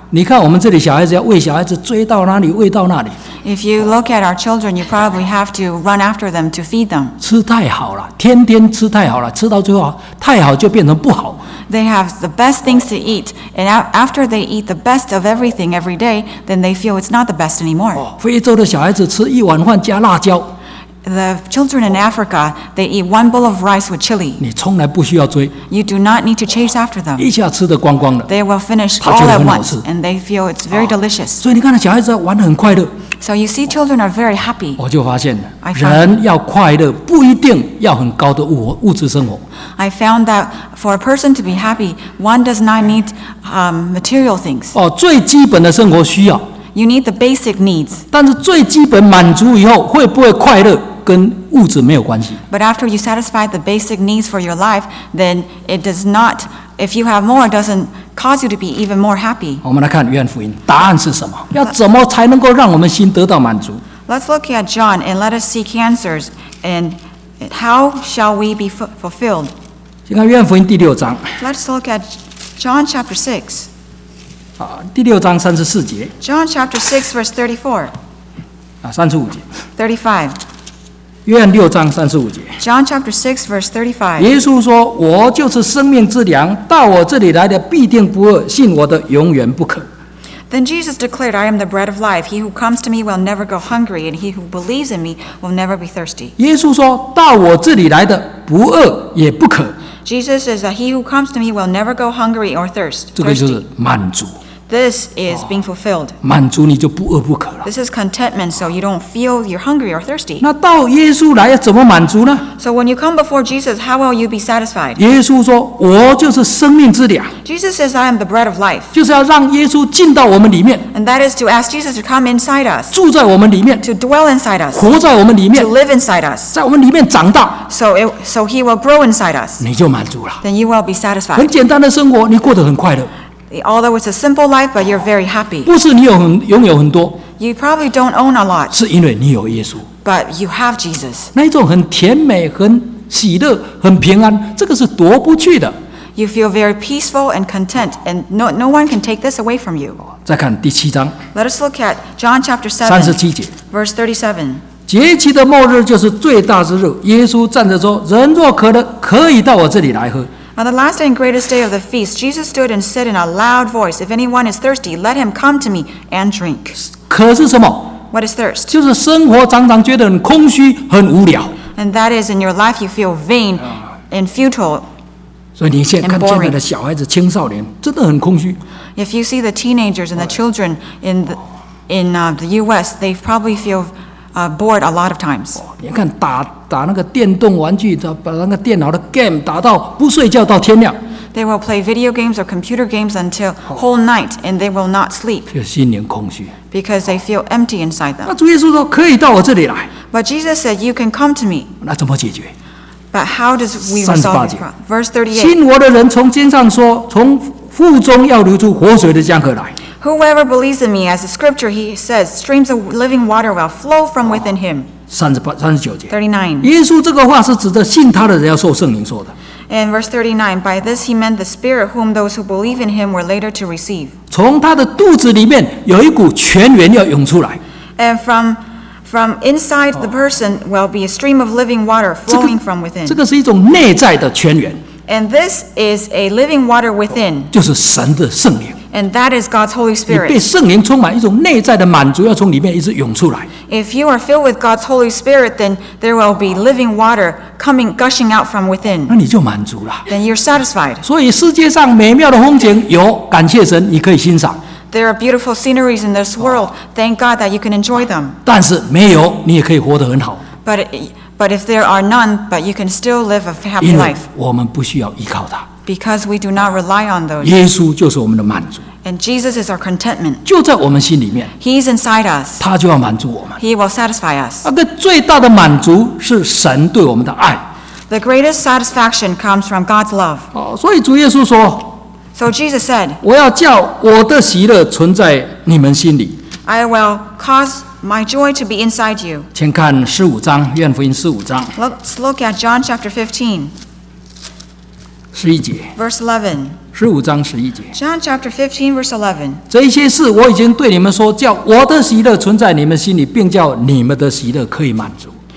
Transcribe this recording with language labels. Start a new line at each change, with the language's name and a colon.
Chinese: 你看我们这里小孩子要喂小孩子追到哪里喂到哪里。
English: If you look at our children, you probably have to run after them to feed them.
Chinese: 吃太好了，天天吃太好了，吃到最后太好就变成不好。
English: They have the best things to eat, and after they eat the best of everything every day, then they feel it's not the best anymore.
Chinese: 非洲的小孩子吃一碗饭加辣椒。
English: The children in Africa, they eat one bowl of rice with chili.
Chinese: 你从来不需要追。
English: You do not need to chase after them.
Chinese: 一下吃得光光了。
English: They will finish all at once, and they feel it's very delicious.
Chinese: 所以你看到小孩子玩得很快乐。
English: So you see, children are very happy.
Chinese: 我就发现了，人要快乐不一定要很高的物质生活。
English: I found that for a person to be happy, one does not need material things.
Chinese: 哦，最基本的生活需要。
English: You need the basic needs.
Chinese: 但是最基本满足以后，会不会快乐跟物质没有关系。
English: But after you satisfy the basic needs for your life, then it does not. If you have more, it doesn't cause you to be even more happy.
Chinese: 我们来看约翰福音，答案是什么？要怎么才能够让我们心得到满足
English: ？Let's look at John and let us seek answers. And how shall we be fulfilled?
Chinese: 先看约翰福音第六章。
English: Let's look at John chapter 6.
Chinese: 第六章三十四节。
English: John chapter 6 verse 34。
Chinese: 三十五节。
English: 35。
Chinese: 约翰六章三十五节。
English: John chapter 6 verse 35。
Chinese: 耶稣说：“我就是生命之粮，到我这里来的必定不饿，信我的永远不渴。”
English: Then Jesus declared, "I am the bread of life. He who comes to me will never go hungry, and he who believes in me will never be thirsty."
Chinese: 耶稣说：“到我这里来的不饿也不渴。”
English: Jesus says that he who comes to me will never go hungry or thirst.
Chinese: 这个就是满足。
English: This is being fulfilled.
Chinese: 满足你就不饿不渴了。
English: This is contentment, so you don't feel you're hungry or thirsty.
Chinese: 那到耶稣来怎么满足呢
English: ？So when you come before Jesus, how will you be satisfied?
Chinese: 耶稣说：“我就是生命之粮。”
English: Jesus says, "I am the bread of life."
Chinese: 就是要让耶稣进到我们里面。
English: And that is to ask Jesus to come inside us.
Chinese: 住在我们里面。
English: To dwell inside us.
Chinese: 活在我们里面。
English: To live inside us.
Chinese: 在我们里面长大。
English: So he will grow inside us.
Chinese: 你就满足了。
English: Then you will be satisfied.
Chinese: 很简单的生活，你过得很快乐。
English: Although it's a simple life, but you're very happy.
Chinese: 不是你有很拥有很多。
English: You probably don't own a lot.
Chinese: 是因为你有耶稣。
English: But you have Jesus.
Chinese: 那一种很甜美、很喜乐、很平安，这个是夺不去的。
English: You feel very peaceful and content, and no one can take this away from you.
Chinese: 再看第七章。
English: Let us look at John chapter 7.
Chinese: 三十七节。
English: Verse 37.
Chinese: 节期的末日就是最大之日。耶稣站着说：“人若渴了，可以到我这里来喝。”
English: On the last and greatest day of the feast, Jesus stood and said in a loud voice, "If anyone is thirsty, let him come to me and drink."
Chinese: 渴是什么？
English: What is thirst?
Chinese: 就是生活常常觉得很空虚，很无聊。
English: And that is in your life you feel vain and futile.
Chinese: 所以你现在看现在的小孩子、青少年，真的很空虚。
English: If you see the teenagers and the children in the U.S., they probably feel bored a lot of times.
Chinese: 你看打那个电动玩具，把那个电脑的 game 打到不睡觉到天亮。
English: They will play video games or computer games until whole night, and they will not sleep.
Chinese: 就心灵空虚。
English: Because they feel empty inside them.
Chinese: 那主耶稣说可以到我这里来。
English: But Jesus said you can come to me.
Chinese: 那怎么解决
English: ？But how does we resolve this problem? Verse 38.
Chinese: 信我的人从经上说，从腹中要流出活水的江河来。
English: Whoever believes in me, as the scripture he says, streams of living water will flow from within him. 38, 39.
Chinese: 耶稣这个话是指着信他的人要受圣灵说的。
English: And verse 39, by this he meant the spirit whom those who believe in him were later to receive.
Chinese: 从他的肚子里面有一股泉源要涌出来。
English: And from inside the person will be a stream of living water flowing from within.
Chinese: 这个是一种内在的泉源。
English: And this is a living water within.
Chinese: 就是神的圣灵。
English: And that is God's Holy Spirit.
Chinese: 你被圣灵充满，一种内在的满足要从里面一直涌出来。
English: If you are filled with God's Holy Spirit, then there will be living water coming, gushing out from within.
Chinese: 那你就满足了。
English: Then you're satisfied.
Chinese: 所以世界上美妙的风景有，感谢神，你可以欣赏。
English: There are beautiful sceneries in this world. Thank God that you can enjoy them.
Chinese: 但是没有，你也可以活得很好。
English: But if there are none, but you can still live a happy life.
Chinese: 因为我们不需要依靠它。
English: Because we do not rely on those.
Chinese: 耶稣就是我们的满足。
English: And Jesus is our contentment.
Chinese: 就在我们心里面。
English: He's inside us.
Chinese: 他就要满足我们。
English: He will satisfy us.
Chinese: 那个最大的满足是神对我们的爱。
English: The greatest satisfaction comes from God's love.
Chinese: 所以主耶稣说。
English: So Jesus said.
Chinese: 我要叫我的喜乐存在你们心里。
English: I will cause my joy to be inside you.
Chinese: 请看十五章，约翰福音十五章。
English: Let's look at John chapter 15.
Chinese: 十一节。
English: Verse 11。
Chinese: 十五章十一节。
English: John chapter 15 verse 11。
Chinese: 这些事我已经对你们说，叫我的喜乐存在你们心里，并叫你们的喜乐可以满足。